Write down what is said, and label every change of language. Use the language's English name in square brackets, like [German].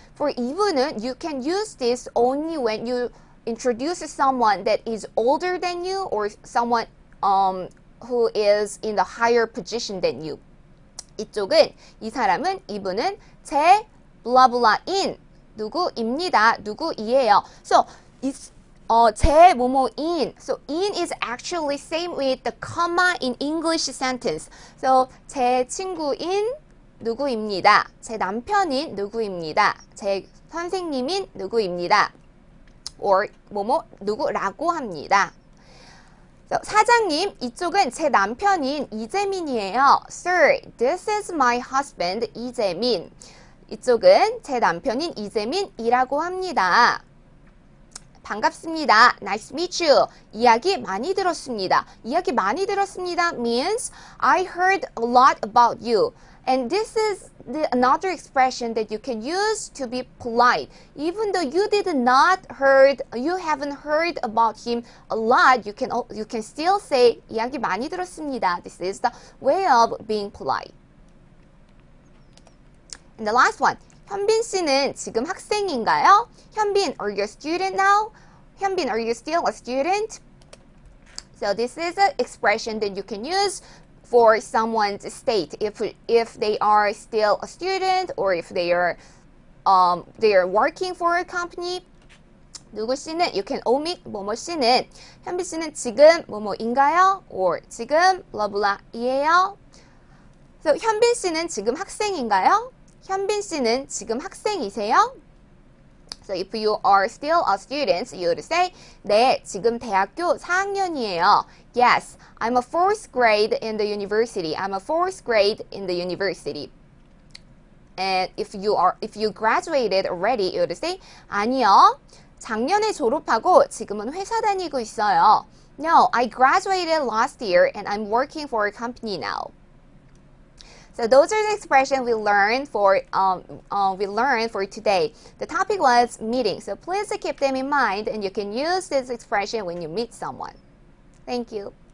[English] For 이분은, you can use this only when you introduce someone that is older than you or someone who is in the higher position than you. [Korean] 이쪽은, 이 사람은, 이분은 제 blah blah인 누구입니다. 누구이에요. So, 제 뭐뭐인. [English] So, in is actually same with the comma in English sentence. [Korean] So, 제 친구인 누구입니다. 제 남편인 누구입니다. 제 선생님인 누구입니다. Or 뭐뭐 누구라고 합니다. 사장님, 이쪽은 제 남편인 이재민이에요. [English] Sir, this is my husband, 이재민. [Korean] 이쪽은 제 남편인 이재민이라고 합니다. 반갑습니다. [English] Nice to meet you. [Korean] 이야기 많이 들었습니다. 이야기 많이 들었습니다 [English] means I heard a lot about you. And this is another expression that you can use to be polite. Even though you haven't heard about him a lot, you can still say [Korean] 이야기 많이 들었습니다. [English] This is the way of being polite. And the last one, [Korean] 현빈 씨는 지금 학생인가요? [English] 현빈, are you a student now? 현빈, are you still a student? So this is an expression that you can use for someone's state if they are still a student or if they are they are working for a company. [Korean] 누구 씨는 [English] you can omit [Korean] 뭐뭐 씨는 현빈 씨는 지금 뭐뭐인가요? or 지금 blah blah이에요. So 현빈 씨는 지금 학생인가요? 현빈 씨는 지금 학생이세요? [English] So if you are still a student, you would say [Korean] 네, 지금 대학교 4학년이에요. [English] Yes, I'm a fourth grade in the university. I'm a fourth grade in the university. And if you graduated already, you would say [Korean] 아니요. 작년에 졸업하고 지금은 회사 다니고 있어요. [English] No, I graduated last year and I'm working for a company now. So those are the expressions we learned for today. The topic was meeting. So please keep them in mind and you can use this expression when you meet someone. Thank you.